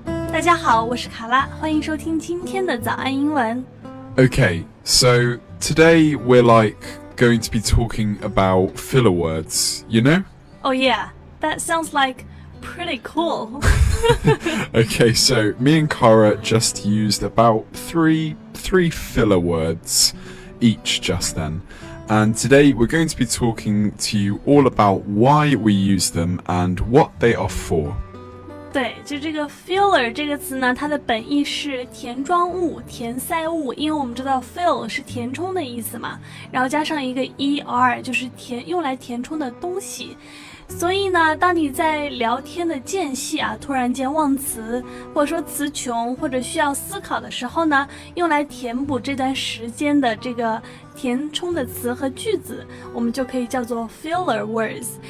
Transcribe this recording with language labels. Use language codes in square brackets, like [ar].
[zh] 大家好，我是卡拉，欢迎收听今天的早安英文。 [en] Okay, so today we're like going to be talking about filler words, you know? Oh yeah, that sounds like pretty cool. Okay, so me and Kara just used about three filler words each just then. And today we're going to be talking to you all about why we use them and what they are for. [zh] 对，就这个 filler 这个词呢，它的本意是填装物、填塞物，因为我们知道 fill 是填充的意思嘛，然后加上一个 er， 就是填用来填充的东西。所以呢，当你在聊天的间隙啊，突然间忘词，或者说词穷，或者需要思考的时候呢，用来填补这段时间的这个填充的词和句子，我们就可以叫做 filler words。